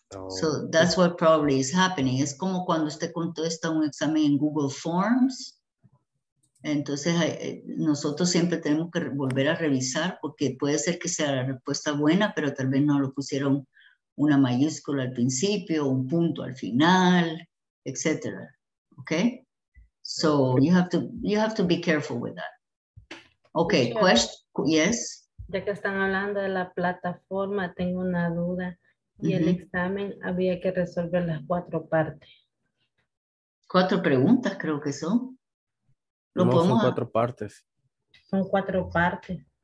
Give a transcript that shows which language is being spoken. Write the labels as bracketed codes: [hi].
[en] So that's what probably is happening. [es] Es como cuando usted contesta un examen en Google Forms. Entonces, nosotros siempre tenemos que volver a revisar porque puede ser que sea la respuesta buena, pero tal vez no lo pusieron una mayúscula al principio, un punto al final, etc. [en] Okay? So you have to be careful with that. Okay, question, yes? [es] Ya que están hablando de la plataforma, tengo una duda. Y el examen había que resolver las cuatro partes. Cuatro preguntas creo que son. ¿Lo podemos? Son cuatro partes. Son cuatro partes.